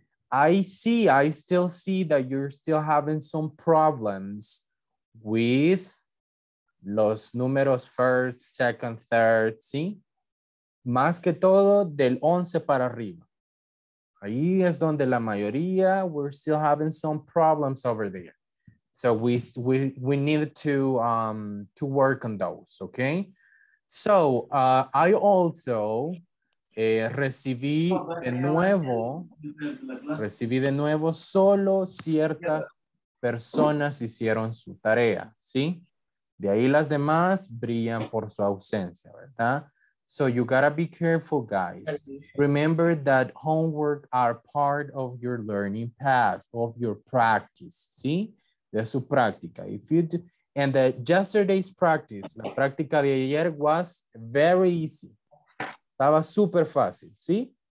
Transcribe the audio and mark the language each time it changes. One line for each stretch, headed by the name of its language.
English: I still see that you're still having some problems with los números first, second, third, ¿sí?
Spanish: Más que todo del 11 para arriba. Ahí es donde la mayoría, we're still having some problems over there.
English: So we need to work on those, okay?
Spanish: So I also recibí de nuevo solo ciertas personas hicieron su tarea, ¿sí? De ahí las demás brillan por su ausencia, ¿verdad?
English: So you gotta be careful, guys. Remember that homework are part of your learning path, of your practice, ¿sí? De su práctica. If you do, and the yesterday's practice, la práctica de ayer, was very easy.
Spanish: Estaba super fácil, ¿sí?